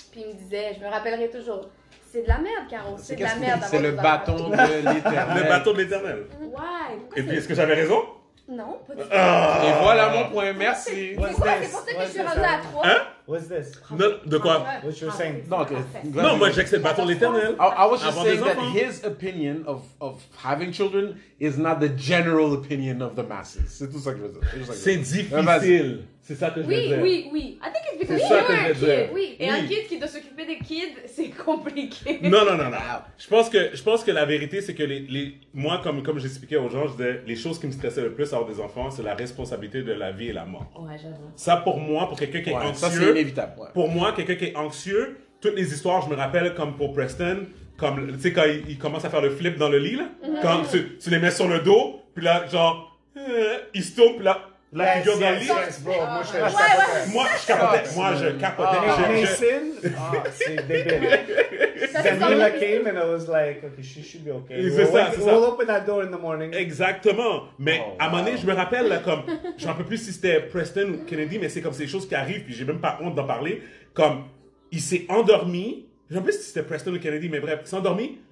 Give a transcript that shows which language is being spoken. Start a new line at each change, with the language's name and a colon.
French: Puis il me disait, je me rappellerai toujours, c'est de la merde, Caro. C'est de la merde. C'est le bâton de l'éternel. Le bâton de l'éternel. Ouais. Et puis, est-ce que j'avais raison? Non, pas du tout. Et voilà mon point, merci. C'est pour ça que je suis rendue à 3.
English: What's this?
French: Non, de quoi?
English: What you're saying?
French: Non, okay. Non, moi j'accepte le bâton de l'éternel.
English: I was just saying that his opinion of having children is not the general opinion of the masses.
French: C'est tout ça que je veux dire. C'est difficile. C'est ça que je veux dire. Oui.
English: I think it's because you're a kid.
French: Oui. Et un kid qui doit s'occuper des kids, c'est compliqué. Non. Je pense que la vérité, c'est que moi, comme j'expliquais aux gens, je disais, les choses qui me stressaient le plus avoir des enfants, c'est la responsabilité de la vie et la mort. Ouais, j'avoue. Ça, pour moi, pour quelqu'un qui est anxieux, c'est inévitable. Ouais. Pour moi, quelqu'un qui est anxieux, toutes les histoires, je me rappelle, comme pour Preston, comme, tu sais, quand il commence à faire le flip dans le lit, là, mm-hmm. quand tu les mets sur le dos, puis là, genre, il se tourne, puis là, la figure dans le lit. Moi, je capotais. Mais Mason, c'est débile. C'est lui qui
English: came and I was like, OK, she should be okay.
French: C'est ça.
English: We'll open that door in the morning.
French: Exactement. Mais à un moment donné, je me rappelle, là, comme, je ne sais plus si c'était Preston ou Kennedy, mais c'est comme ces choses qui arrivent, puis je n'ai même pas honte d'en parler. Comme, il s'est endormi. Je ne sais plus si c'était Preston ou Kennedy, mais bref, il s'est endormi.